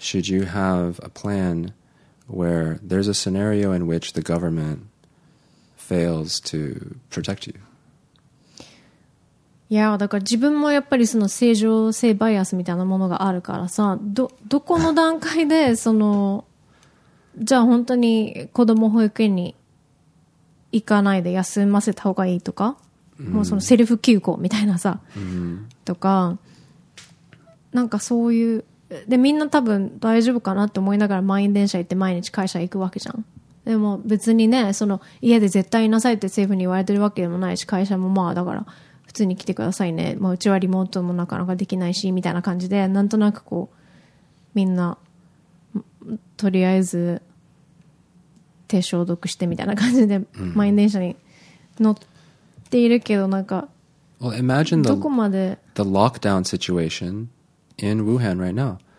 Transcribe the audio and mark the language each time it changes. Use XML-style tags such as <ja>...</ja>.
<en>Should you have a plan where there's a scenario in which the government fails to protect you?</en> <ja>いやだから自分もやっぱりその正常性バイアスみたいなものがあるからさ、どこの段階でそのじゃあ本当に子供保育園に行かないで休ませた方がいいとか、もうそのセルフ休校みたいなさ、とかなんかそういうで、みんな多分大丈夫かなって思いながら満員電車行って毎日会社行くわけじゃん。でも別にね、その家で絶対いなさいって政府に言われてるわけでもないし、会社もまあだから普通に来てくださいね、まあ、うちはリモートもなかなかできないしみたいな感じで、なんとなくこうみんなとりあえず手消毒してみたいな感じで満員電車に乗っているけど、なんか、</ja> <en>well, imagine the,</en> <ja>どこまで</ja> <en>the lockdown situation in Wuhan right now.</en>